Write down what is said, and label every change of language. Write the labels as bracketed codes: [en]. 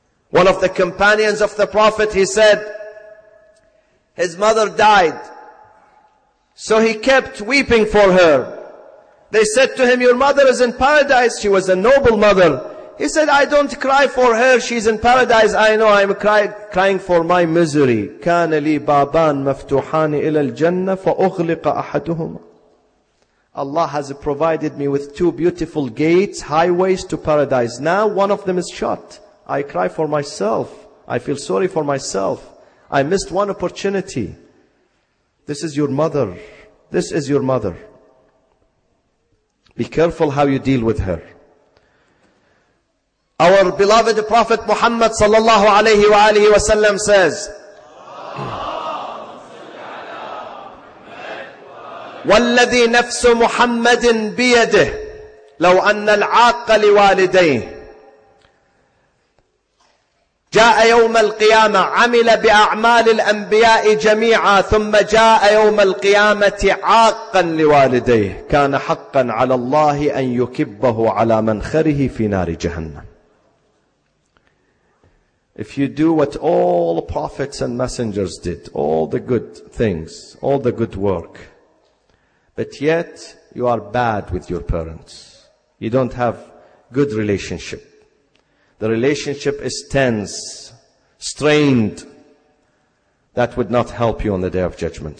[en] One of the companions of the Prophet, he said, his mother died, so he kept weeping for her. They said to him, your mother is in paradise. She was a noble mother. He said, I don't cry for her. She's in paradise. I know I'm crying for my misery. [ar] كان لي بابان مفتوحان إلى الجنة فأغلق أحدهما. [en] Allah has provided me with two beautiful gates, highways to paradise. Now one of them is shut. I cry for myself. I feel sorry for myself. I missed one opportunity. This is your mother. This is your mother. Be careful how you deal with her. Our beloved Prophet Muhammad sallallahu alayhi wa alihi wa sallam says, [ar] والذي نفس محمد بيده لو أن العاق لوالديه جاء يوم القيامة عمل بأعمال الأنبياء جميعا ثم جاء يوم القيامة عاقا لوالديه كان حقا على الله أن يكبه على منخره في نار جهنم. [en] If you do what all prophets and messengers did, all the good things, all the good work, but yet you are bad with your parents, you don't have good relationship, the relationship is tense, strained, that would not help you on the Day of Judgment.